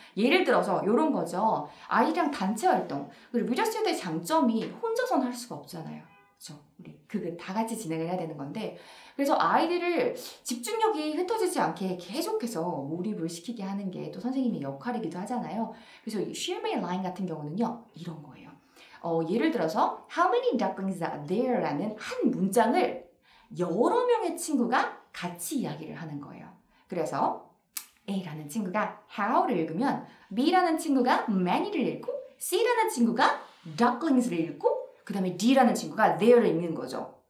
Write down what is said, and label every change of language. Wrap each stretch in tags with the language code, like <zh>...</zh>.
<ko>예를 들어서 요런 거죠. 아이랑 단체 활동. 그리고 위저스튜드의 장점이 혼자서는 할 수가 없잖아요. 그렇죠? 우리 그거 다 같이 진행을 해야 되는 건데 그래서 아이들을 집중력이 흩어지지 않게 계속해서 몰입을 시키게 하는 게 또 선생님의 역할이기도 하잖아요. 그래서 이 Share my line 같은 경우는요. 이런 거예요. 예를 들어서</ko> <en>How many ducklings are there?</en> <ko>라는 한 문장을 여러 명의 친구가 같이 이야기를 하는 거예요. 그래서 A라는 친구가 How를 읽으면 B라는 친구가 Many를 읽고 C라는 친구가 Ducklings를 읽고 그 다음에 D라는 친구가 There를 읽는 거죠.</ko>